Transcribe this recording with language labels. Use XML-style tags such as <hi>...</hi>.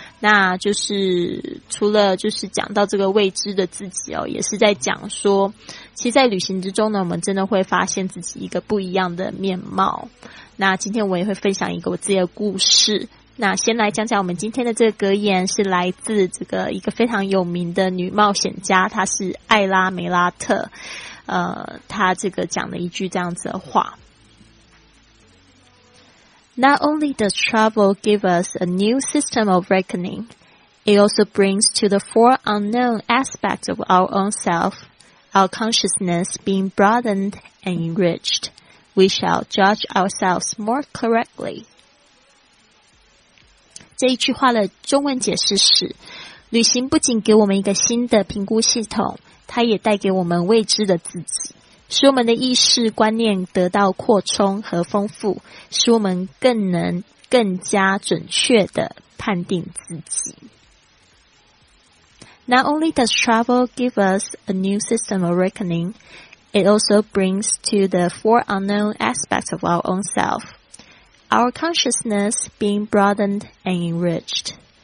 <zh>那就是除了就是讲到这个未知的自己哦，也是在讲说，其实在旅行之中呢，我们真的会发现自己一个不一样的面貌。那今天我也会分享一个我自己的故事。那先来讲讲我们今天的这个格言，是来自这个一个非常有名的女冒险家，她是艾拉梅拉特。他这个讲了一句这样子的话，</zh> <en>Not only does travel give us a new system of reckoning, it also brings to the fore unknown aspects of our own self, our consciousness being broadened and enriched. We shall judge ourselves more correctly.</en> <zh>这一句话的中文解释是，旅行不仅给我们一个新的评估系统，它也带给我们未知的自己，使我们的意识观念得到扩充和丰富，使我们更能更加准确地判定自己。</zh> <en>Not only does travel give us a new system of reckoning, it also brings to the four unknown aspects of our own self, our consciousness being broadened and enriched.</en>